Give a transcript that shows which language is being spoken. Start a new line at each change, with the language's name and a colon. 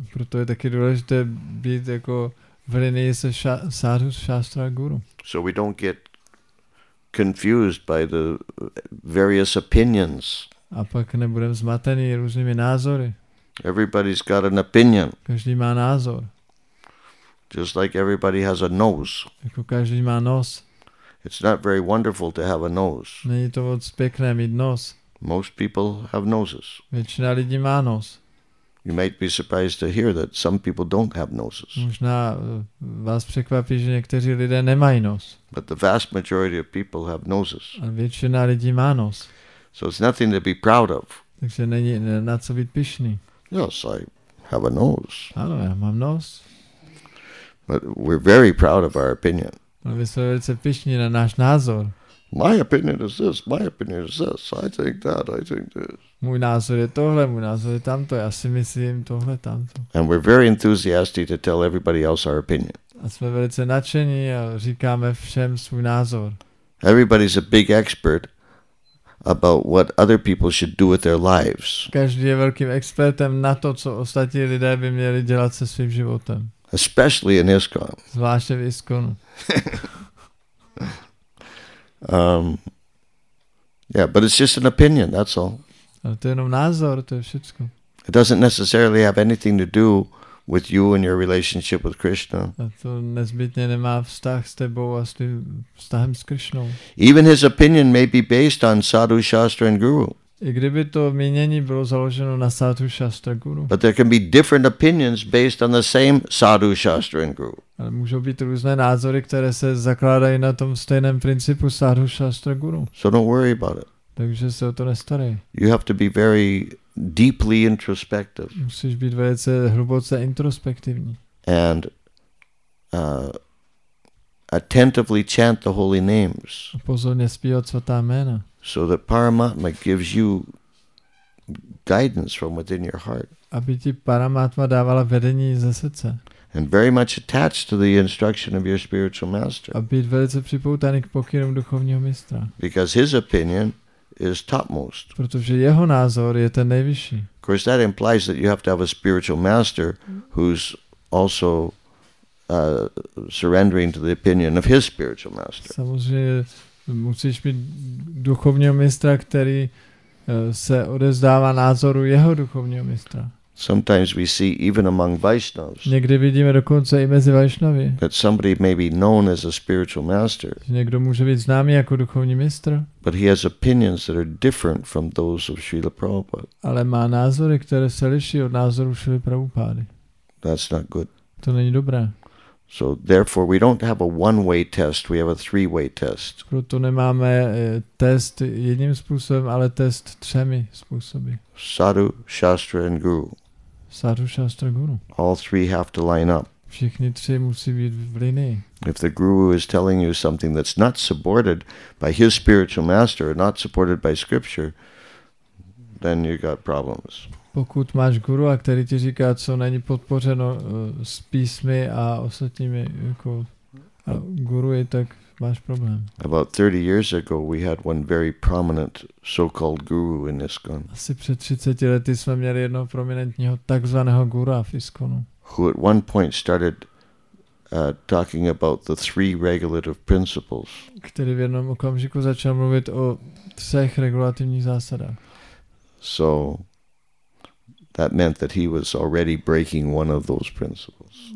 Czech: Proto je taky důležité být jako v linii se sadhu, shastra a guru.
English: So we don't get confused by the various opinions.
Czech: A pak nebudeme zmatení různými názory.
English: Everybody's got an opinion.
Czech: Každý má názor.
English: Just like everybody has a nose.
Czech: Jako každý má nos.
English: It's not very wonderful to have a nose.
Czech: Není to moc pěkné mít nos.
English: Most people have noses.
Czech: Většina lidí má nos.
English: You might be surprised to hear that some people don't have noses.
Czech: Možná vás překvapí, že někteří lidé nemají nos.
English: But the vast majority of people have noses.
Czech: A většina lidí má nos.
English: So it's nothing to be proud of.
Czech: Takže není na co být pyšný.
English: Yes, I have a nose.
Czech: Ano, já mám nos.
English: But we're very proud of our opinion.
Czech: Ale my jsme velice pyšní na náš názor.
English: My opinion is this, my opinion is this, I think that, I think this.
Czech: Můj názor je tohle, můj názor je tamto, já si myslím tohle, tamto.
English: And we're very enthusiastic to tell everybody else our opinion.
Czech: A jsme velice nadšení a říkáme všem svůj názor.
English: Everybody's a big expert about what other people should do with their lives.
Czech: Každý je velkým expertem na to, co ostatní lidé by měli dělat se svým životem.
English: Especially in ISKCON.
Czech: Zvláště v ISKCON.
English: Yeah, but it's just an opinion, that's all.
Czech: Ale to je jenom názor, to je všecko.
English: It doesn't necessarily have anything to do with you and your relationship with Krishna.
Czech: A to nezbytně nemá vztah s tebou a s tím vztahem s Krishnou.
English: Even his opinion may be based on sadhu, shastra and guru.
Czech: I kdyby to mínění bylo založeno na sadhu, shastra, guru.
English: But there can be different opinions based on the same sadhu, shastra and guru.
Czech: Ale můžou být různé názory, které se zakládají na tom stejném principu sadhu, shastra, guru.
English: So don't worry about it.
Czech: Takže se o to nestarej.
English: You have to be very deeply introspective.
Czech: Musíš být velice hluboce introspektivní.
English: And attentively chant the holy names.
Czech: A pozorně zpívat svatá jména.
English: So that Paramatma gives you guidance from within your heart.
Czech: Aby ti Paramatma dávala vedení ze srdce.
English: And very much attached to the instruction of your spiritual master.
Czech: A být velice připoutaný k pokynům duchovního mistra.
English: Because his opinion is topmost.
Czech: Protože jeho názor je ten nejvyšší.
English: course, that implies that you have to have a spiritual master who's also surrendering to the opinion of his spiritual master.
Czech: Samozřejmě musíš mít duchovního mistra, který se odezdává názoru jeho duchovního mistra.
English: Sometimes we see even among Vaishnavas.
Czech: Někdy vidíme dokonce i mezi Vaishnavy.
English: That somebody may be known as a spiritual master.
Czech: Někdo může být známý jako duchovní mistr.
English: But he has opinions that are different from those of Srila Prabhupada.
Czech: Ale má názory, které se liší od názorů Srila Prabhupády.
English: That's not good.
Czech: To není dobré.
English: So therefore we don't have a one-way test, we have a three-way test.
Czech: Proto nemáme test jedním způsobem, ale test třemi způsoby.
English: Sadhu, Shastra and Guru.
Czech: Sadhu, Shastra, Guru.
English: All three have to line up.
Czech: Všichni tři musí být v linii.
English: If the Guru is telling you something that's not supported by his spiritual master, or not supported by scripture, then you got problems.
Czech: Pokud máš guru, a který ti říká, co není podpořeno s písmy a ostatními jako a guruji, tak máš problém.
English: About 30 years ago we had one very prominent so-called guru in ISKCON.
Czech: Asi před 30 lety jsme měli jednoho prominentního takzvaného gura v ISKCONu.
English: Who at one point started talking about the three regulative principles.
Czech: Který v jednom okamžiku začal mluvit o třech regulativních zásadách.
English: So that meant that he was already breaking one of those principles.